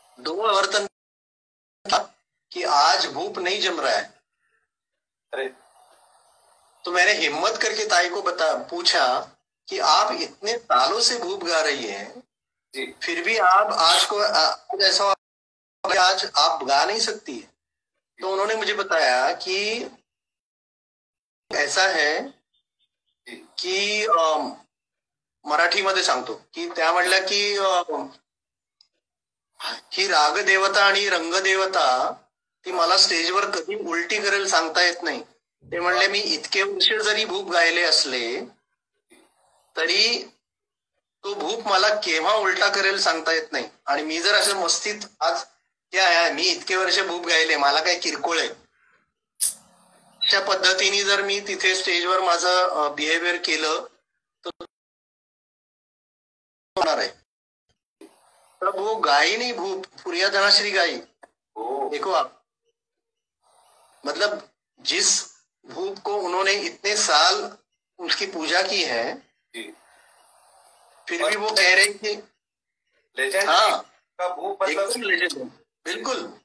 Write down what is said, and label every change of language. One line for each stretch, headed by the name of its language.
Hindi: दो आवर्तन कि आज भूप नहीं जम रहा है. अरे. तो मैंने हिम्मत करके ताई को पूछा कि आप इतने सालों से भूप गा रही हैं जी, फिर भी आप आज को ऐसा आज आप गा नहीं सकती. तो उन्होंने मुझे बताया कि ऐसा है कि
Marathi: मराठी मध्ये सांगतो कि त्या म्हटल्या की ही राग देवता आणि रंग देवता ती मला स्टेजवर कधी उलटी करेल सांगता येत नाही. ते म्हणले मी इतके वर्ष जरी भूप गायले असले तरी तो भूप मला केव्हा उलटा करेल सांगता येत नाही. आणि मी जर असं मस्तीत आज क्या आहे मी इतके वर्ष भूप गायले मला काय किरकोळ आहे अशा पद्धतीने जर मी तिथे स्टेजवर माझं बिहेवियर केलं तर
Hindi: वो गाई नहीं भूप, पुरिया धनाश्री गाई. देखो आप, मतलब जिस भूप को उन्होंने इतने साल उसकी पूजा की है जी. फिर भी वो कह रहे हैं कि
English: Legend.
Hindi: हाँ, का भूप मतलब
English: Legend बिल्कुल.